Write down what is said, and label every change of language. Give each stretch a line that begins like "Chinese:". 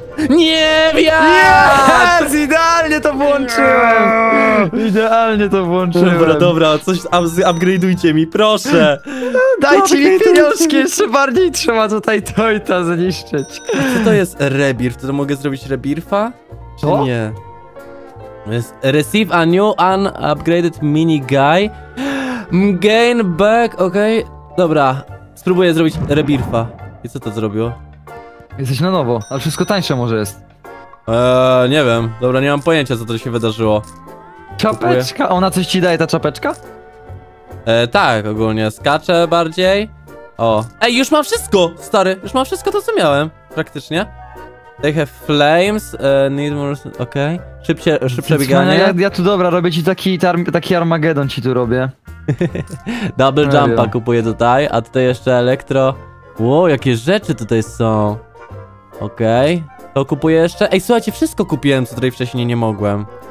Polish: Nie wiem! Yes! Idealnie to włączyłem! Idealnie to włączyłem! Dobra, dobra, coś upgrade'ujcie mi, proszę! Dajcie mi pieniążki, jeszcze bardziej trzeba tutaj to i to zniszczyć. A co to jest rebirth? To mogę zrobić rebirfa? Czy co? Nie?
English: Receive a new unupgraded mini guy. Gain back, okej. Okay.
Polish: Dobra, spróbuję zrobić rebirfa. I co to zrobiło? Jesteś na nowo, ale wszystko tańsze może jest. Nie wiem. Dobra, nie mam pojęcia, co to się wydarzyło. Czapeczka? Ona coś ci daje, ta czapeczka? Tak, ogólnie skaczę bardziej. O. Ej, już mam wszystko, stary. Już mam wszystko to, co miałem. Praktycznie.
English: They have flames, need more... Okej. Okay.
Polish: Szybciej, szybciej bieganie. Ja tu, dobra, robię ci taki, taki Armagedon ci tu robię. Double jumpa kupuję tutaj, a tutaj jeszcze elektro... Wow, jakie rzeczy tutaj są. Okej. Okay. To kupuję jeszcze. Ej, słuchajcie, wszystko kupiłem, co tutaj wcześniej nie mogłem.